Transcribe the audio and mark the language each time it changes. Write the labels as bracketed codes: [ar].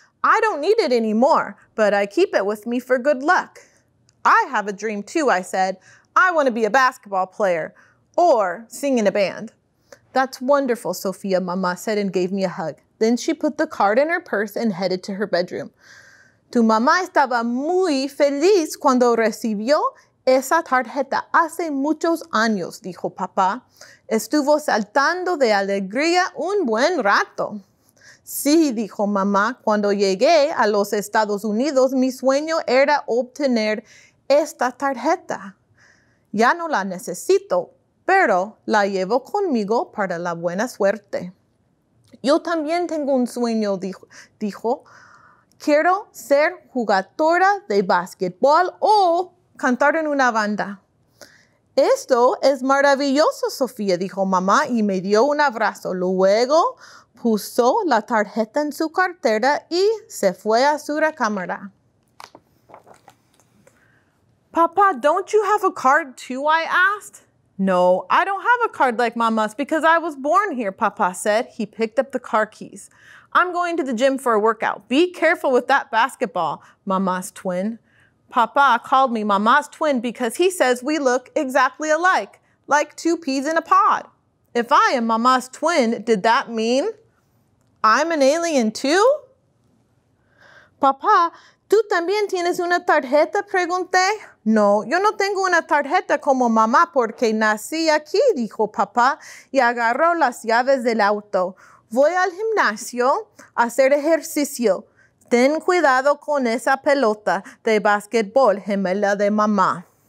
[en] I don't need it anymore, but I keep it with me for good luck. I have a dream too, I said. I want to be a basketball player or sing in a band. That's wonderful, Sophia, mamá said and gave me a hug. Then she put the card in her purse and headed to her bedroom. [es] Tu mamá estaba muy feliz cuando recibió esa tarjeta hace muchos años, dijo papá. Estuvo saltando de alegría un buen rato. Sí, dijo mamá, cuando llegué a los Estados Unidos, mi sueño era obtener esta tarjeta. Ya no la necesito, pero la llevo conmigo para la buena suerte. Yo también tengo un sueño, dijo. Quiero ser jugadora de basquetbol o cantar en una banda. Esto es maravilloso, Sofía, dijo mamá y me dio un abrazo. Luego puso la tarjeta en su cartera y se fue a su recámara. [en] Papá, don't you have a card too, I asked. No, I don't have a card like mamá's because I was born here, papá said. He picked up the car keys. I'm going to the gym for a workout. Be careful with that basketball, mamá's twin. Papa called me Mama's twin because he says we look exactly alike, like two peas in a pod. If I am Mama's twin, did that mean I'm an alien too? [es] Papa, ¿tú también tienes una tarjeta? Pregunté. No, yo no tengo una tarjeta como mamá porque nací aquí, dijo papá y agarró las llaves del auto. Voy al gimnasio a hacer ejercicio. Ten cuidado con esa pelota de basquetbol, gemela de mamá.